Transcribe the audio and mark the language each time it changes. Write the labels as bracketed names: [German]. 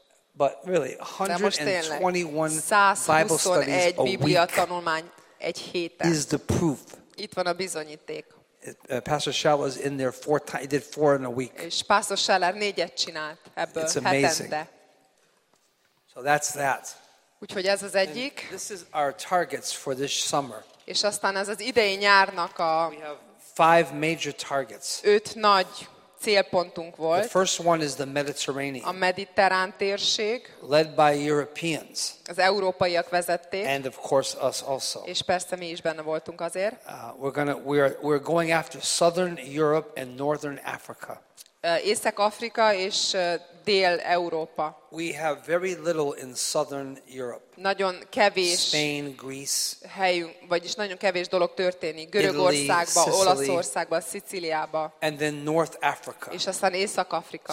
[English] But really 121 Bible [Hungarian] studies a tanulmány egy héten. [English] Is the proof. [Hungarian] Itt van a bizonyíték. [English] Pastor Schaller was in there four times. He did four in a week. [Hungarian] És Pastor Schaller négyet csinált ebből [English] it's amazing. [Hungarian] Hetente. [English] So that's that. [Hungarian] Úgyhogy ez az egyik. [English] And this is our targets for this summer. [Hungarian] És aztán ez az idei nyárnak a [English] we have five major targets. [Hungarian] Öt nagy célpontunk volt. [English] The first one is the Mediterranean. [Hungarian] A mediterrán térség. [English] Led by Europeans. [Hungarian] Az európaiak vezették. [English] And of course us also. [Hungarian] És persze mi is benne voltunk azért. [English] We're going after Southern Europe and Northern Africa. [Hungarian] Észak-Afrika és Dél-Európa. [English] We have very little in Southern Europe. [Hungarian] Nagyon kevés. [English] Spain, Greece. [Hungarian] Helyünk, vagyis nagyon kevés dolog történik. Görögországba, Olaszországba, Szicíliába. [English] And then North Africa. [Hungarian] És aztán Észak-Afrika.